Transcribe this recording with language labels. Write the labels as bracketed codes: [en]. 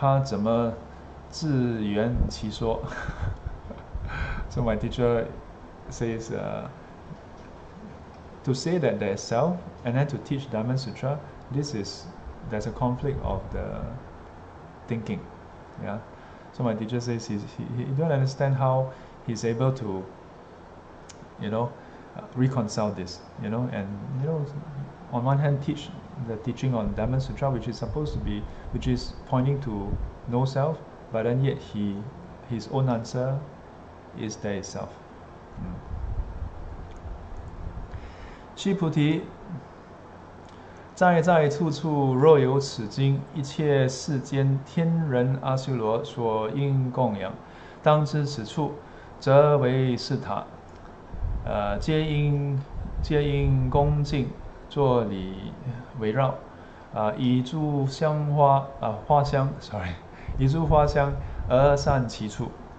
[zh] 我不知道他怎么自圆其说. [en] So my teacher says, to say that there is self, and then to teach Diamond Sutra, there's a conflict of the thinking. Yeah. So my teacher says he don't understand how he's able to, you know, reconcile this, you know, and, you know, on one hand teach the teaching on Diamond Sutra, which is pointing to no self, but then yet his own answer is there is self. [zh] 须菩提, 在在处处若有此经，一切世间天人阿修罗所应供养， 当知此处则为是塔， 皆应恭敬， 坐礼围绕， 以诸香花， 花香， [en] sorry， [zh] 以诸花香而散其处。